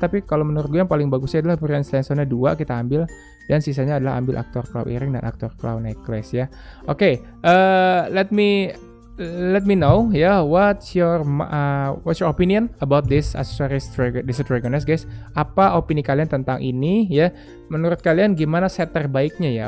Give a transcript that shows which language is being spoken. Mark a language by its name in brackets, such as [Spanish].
[Indonesian] Tapi kalau menurut gue yang paling bagusnya adalah Brilliant Sandstone-nya 2 kita ambil, dan sisanya adalah ambil Actor Cloud earring dan Actor Cloud necklace ya. [English] Oke, okay, let me know ya. Yeah, what's your opinion about this accessories Desert Dragoness, guys? [Indonesian] Apa opini kalian tentang ini ya? Yeah? Menurut kalian gimana set terbaiknya ya?